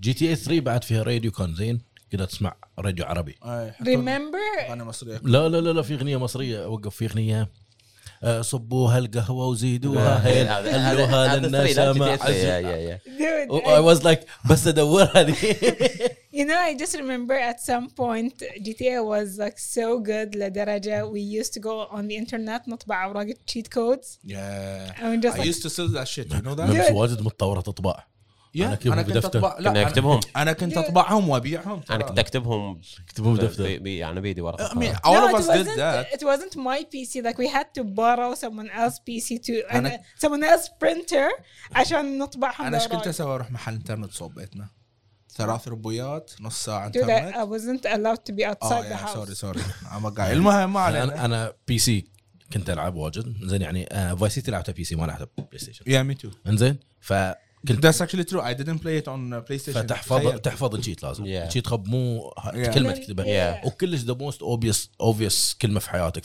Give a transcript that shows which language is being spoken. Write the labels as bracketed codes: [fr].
[ar] GTA 3 بعد فيها راديو كان زين. كده تسمع راديو عربي. [en] Remember? [ar] أنا مصري. لا في غنية مصرية. وقف في غنية. صبوها القهوة وزيدوها هيل خلوها للنشامة عزيزة [en] I was like [ar] بس أدور هذي [en] You know I just remember at some point GTA was like so good [ar] لدرجة [en] we used to go on the internet [ar] نطبع أوراق [en] cheat codes I used to sell that shit you know that [ar] مبس واجد متطورة تطبع أنا كنت بدفتر كنا أكتبهم أنا كنت أطبعهم وأبيعهم أنا كنت أكتبهم كتبهم بدفتر يعني بيدي ورقة [en] it wasn't my PC like we had to borrow someone else PC to someone else printer [ar] عشان نطبعهم أنا كنت أسوي أروح محل إنترنت صوب بيتنا ثلاث ربويات نص ساعة إنترنت [en] I wasn't allowed to be outside the house [ar] sorry المهم ما علينا أنا PC كنت ألعب واجد إنزين يعني Vice City لعبتها PC ما لعبتها PlayStation [en] yeah me too [ar] إنزين ف [en] That's actually true. I didn't play it on PlayStation. [ar] فتحفظ الشيت لازم. الشيت خب مو كلمة تكتبها. وكلش [en] the most obvious [ar] كلمة في حياتك.